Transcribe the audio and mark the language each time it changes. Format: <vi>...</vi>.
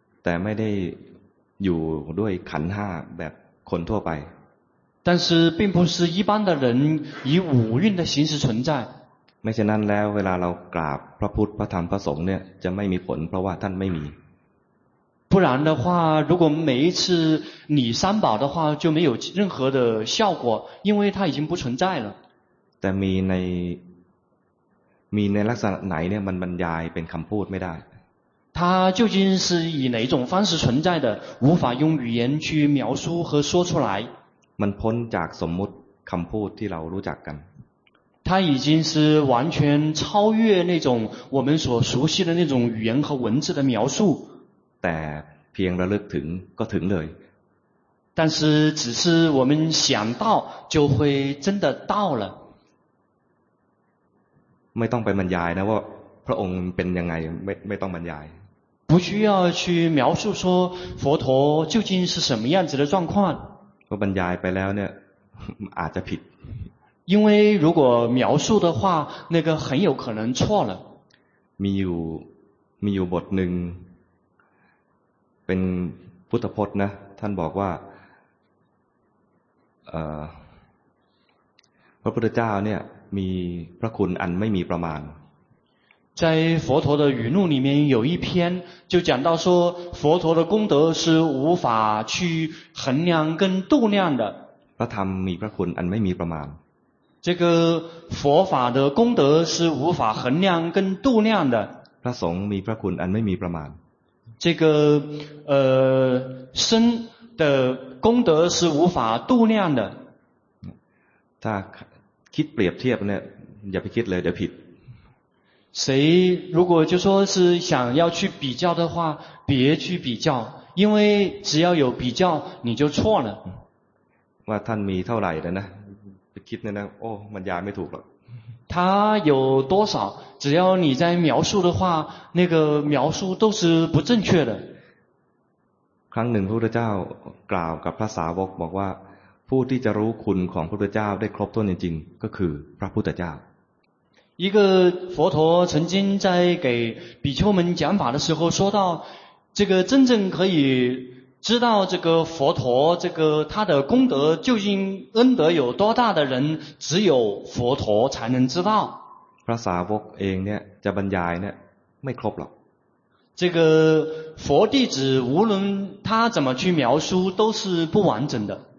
<th>แต่ไม่ได้อยู่ด้วยขันธ์ห้าแบบคนทั่วไป</th> <zh>但是并不是一般的人以五蕴的形式存在</zh> <th>ไม่ฉะนั้นแล้วเวลาเรากราบพระพุทธพระธรรมพระสงฆ์เนี่ยจะไม่มีผลเพราะว่าท่านไม่มี</th> <zh>不然的话如果每一次礼三宝的话就没有任何的效果因为他已经不存在了</zh> <th>แต่มีในลักษณะไหนเนี่ยมันบรรยายเป็นคำพูดไม่ได้</th> <zh>他究竟是以哪种方式存在的无法用语言去描述和说出来</zh> <th>มันพ้นจากสมมติคำพูดที่เรารู้จักกัน</th> <zh>他已经是完全超越那种我们所熟悉的那种语言和文字的描述</zh> <th>แต่เพียงระลึกถึงก็ถึงเลย</th> <zh>但是只是我们想到就会真的到了</zh> <th>ไม่ต้องไปบรรยายนะว่าพระองค์เป็นยังไงไม่ต้องบรรยาย</th> <zh>不需要去描述说佛陀究竟是什么样子的状况</zh> <th>เพราะบรรยายไปแล้วเนี่ยอาจจะผิด</th> <zh>因为如果描述的话那个很有可能错了</zh> <th>มีอยู่บทหนึ่งเป็นพุทธพจน์นะท่านบอกว่าพระพุทธเจ้าเนี่ยมีพระคุณอันไม่มีประมาณ</th> <zh>在佛陀的语录里面有一篇就讲到说佛陀的功德是无法去衡量跟度量的</zh> <th>พระธรรมมีพระคุณอันไม่มีประมาณ</th> <zh>这个佛法的功德是无法衡量跟度量的</zh> <th>พระสงฆ์มีพระคุณอันไม่มีประมาณ</th> <zh>这个僧的功德是无法度量的</zh> <th>ถ้าคิดเปรียบเทียบเนี่ยอย่าไปคิดเลยเดี๋ยวผิด</th> <zh>谁如果就说是想要去比较的话别去比较因为只要有比较你就错了</zh> <th>ว่าท่านมีเท่าไหร่แล้วนะไปคิดนะโอ้มันยายไม่ถูกหรอก</th> <zh>他有多少只要你在描述的话那个描述都是不正确的</zh> <th>ครั้งหนึ่งพระพุทธเจ้ากล่าวกับพระสาวกบอกว่าผู้ที่จะรู้คุณของพระพุทธเจ้าได้ครบถ้วนจริงๆก็คือพระพุทธเจ้า</th> <zh>一个佛陀曾经在给比丘们讲法的时候说到这个真正可以知道这个佛陀这个他的功德究竟恩德有多大的人只有佛陀才能知道</zh> <th>พระสาวกเองเนี่ยจะบรรยายเนี่ยไม่ครบหรอก</th> <zh>这个佛弟子无论他怎么去描述都是不完整的</zh>